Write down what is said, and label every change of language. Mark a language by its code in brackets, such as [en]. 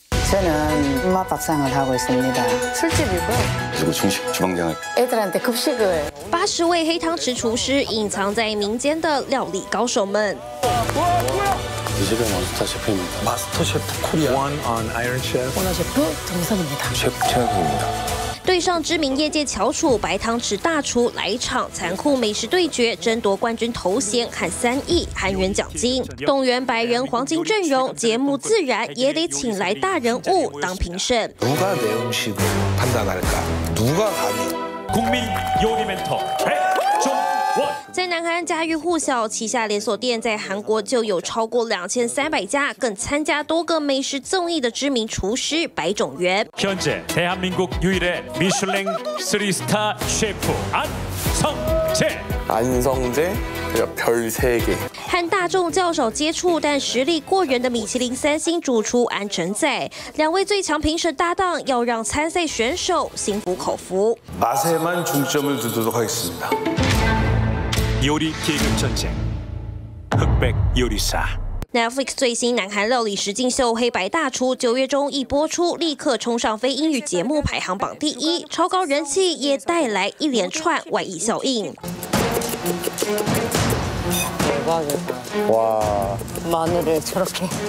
[ko] 저는엄마밥상을하고있습니다 술집이고 그리고중식주방장을 애들한테급식을 [zh] 八十位黑汤匙厨师隐藏在民间的料理高手们。 [ko] 이집의마스터셰프입니다 마스터셰프코리아 원온아이언셰프 원아셰프동섭입니다 셰프최학입니다 [zh] 对上知名业界翘楚白汤匙大厨，来一场残酷美食对决，争夺冠军头衔和3亿韩元奖金。动员百人黄金阵容，节目自然也得请来大人物当评审。 [ko] 누가내음식을판단할까누가감히 국민요리멘토최종원 [zh] 在南韩家喻户晓，旗下连锁店在韩国就有超过2300家，更参加多个美食综艺的知名厨师白种元。 [ko] 현재대한민국유일의미슐랭3스타셰프안성재 안성재별세개 [zh] 和大众较少接触，但实力过人的米其林三星主厨安成在，两位最强评审搭档要让参赛选手心服口服。 [ko] 맛에만중점을두도록하겠습니다 요리계급전쟁흑백요리사 [zh] Netflix 最新南韩料理实境秀《黑白大厨》九月中一播出，立刻冲上非英语节目排行榜第一，超高人气也带来一连串外溢效应。 [ko] 哇！마늘을저렇게